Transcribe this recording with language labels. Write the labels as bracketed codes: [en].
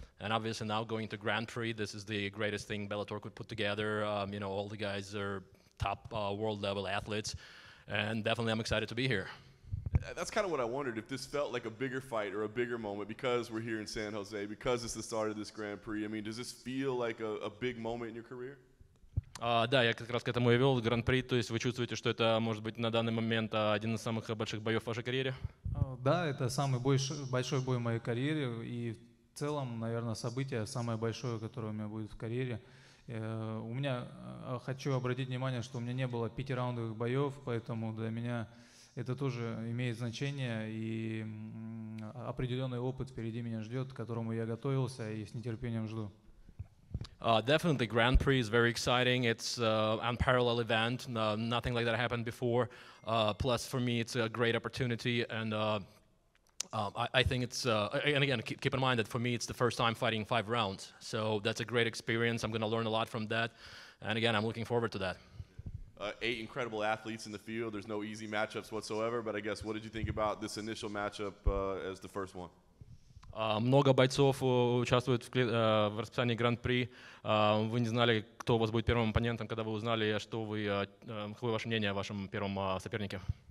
[en] And obviously now going to Grand Prix, this is the greatest thing Bellator could put together. You know, all the guys are top world level athletes. And definitely I'm excited to be here. That's kind of what I wondered, if this felt like a bigger fight or a bigger moment because we're here in San Jose, because it's the start of this Grand Prix. I mean, does this feel like a big moment in your career? [ru] Да, я как раз к этому и вел, Гран-при. То есть вы чувствуете, что это может быть на данный момент один из самых больших боев в вашей карьере? Да, это самый большой бой в моей карьере. И в целом, наверное, событие самое большое, которое у меня будет в карьере. У меня, хочу обратить внимание, что у меня не было 5 раундовых боев, поэтому для меня это тоже имеет значение, и определенный опыт впереди меня ждет, к которому я готовился и с нетерпением жду. [en] Definitely, Grand Prix is very exciting. It's an unparalleled event. Nothing like that happened before. Plus, for me, it's a great opportunity. And I think it's, and again, keep in mind that for me, it's the first time fighting 5 rounds. So that's a great experience. I'm going to learn a lot from that. And again, I'm looking forward to that. 8 incredible athletes in the field. There's no easy matchups whatsoever. But I guess, what did you think about this initial matchup as the first one? [ru] Много бойцов участвует в расписании Гран-при. Вы не знали, кто у вас будет первым оппонентом, когда вы узнали, что вы, какое ваше мнение о вашем первом сопернике?